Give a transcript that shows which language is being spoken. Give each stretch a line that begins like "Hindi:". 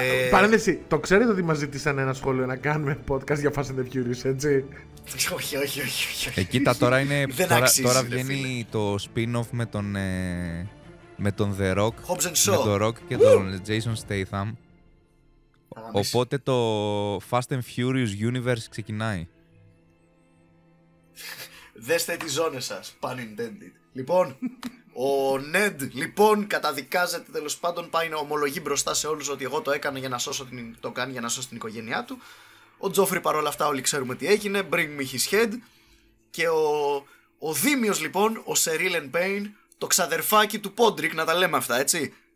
Greek: Παρένθεση, το ξέρετε ότι μας ζητήσανε ένα σχόλιο να κάνουμε podcast για Fast and Furious, έτσι. Όχι. Κοίτα, τώρα είναι... τώρα βγαίνει το spin-off με τον... με τον The Rock. Hobbs and Shaw. Με τον Rock και τον Jason Statham. Οπότε το Fast and Furious Universe ξεκινάει. Δέστε τις ζώνες σας,
English: pun intended.
Greek: Λοιπόν, ο Ned, λοιπόν, καταδικάζεται, τέλος πάντων, πάει να ομολογεί μπροστά σε όλους ότι εγώ το έκανα για να σώσω την, το κάνει για να σώσω την οικογένειά του. Ο Τζόφρι, παρόλα αυτά, όλοι ξέρουμε τι έγινε,
English: bring me his head.
Greek: Και ο Δήμιος, λοιπόν, ο Σερίλεν Πέιν, το ξαδερφάκι του Πόντρικ, να τα λέμε αυτά, έτσι.